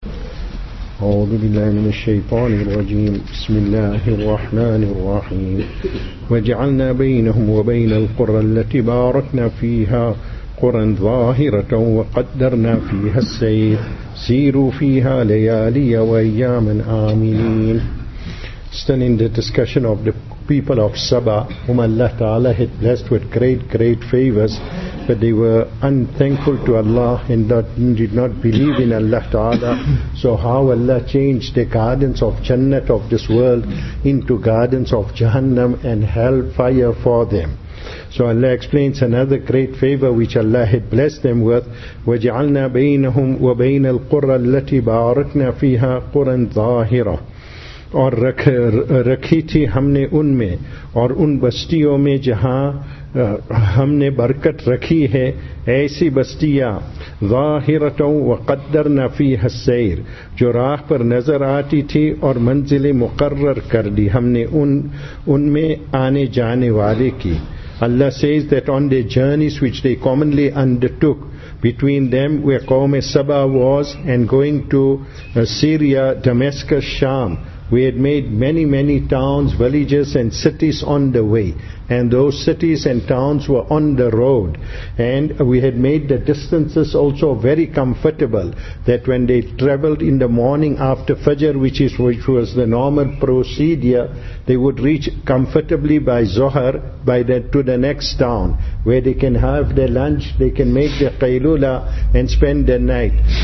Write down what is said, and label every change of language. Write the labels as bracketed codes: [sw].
[ar] أعوذ بالله من الشيطان الرجيم. بسم الله الرحمن الرحيم. وجعلنا بينهم وبين القرى التي باركنا فيها قرى ظاهرة وقدرنا فيها السير سيروا فيها ليالي وأياما آمنين. [en] Still in the discussion of the people of Saba, whom Allah Ta'ala had blessed with great, great favors, but they were unthankful to Allah and did not believe in Allah Ta'ala. So how Allah changed the gardens of Jannat of this world into gardens of Jahannam and hellfire for them. So Allah explains another great favor which Allah had blessed them with. [ar] وَجَعَلْنَا بَيْنَهُمْ وَبَيْنَ الْقُرَى الَّتِي بَارَكْنَا فِيهَا قُرًا ظَاهِرًا. [ur] اور رکھی تھی ہم نے ان میں اور ان بستیوں میں جہاں ہم نے برکت رکھی ہے ایسی بستیاں ظاہرتوں [ar] وقدرنا فیہ السیر [ur] جو راہ پر نظر آتی تھی اور منزل مقرر کر دی ہم نے ان میں آنے جانے والے کی. [en] Allah says that on the journeys which they commonly undertook between them where قوم سبأ was and going to Syria, Damascus, Sham, we had made many, many towns, villages and cities on the way. And those cities and towns were on the road. And we had made the distances also very comfortable, that when they traveled in the morning after Fajr, which was the normal procedure, they would reach comfortably by Zohar to the next town, where they can have their lunch, they can make their qailula and spend the night.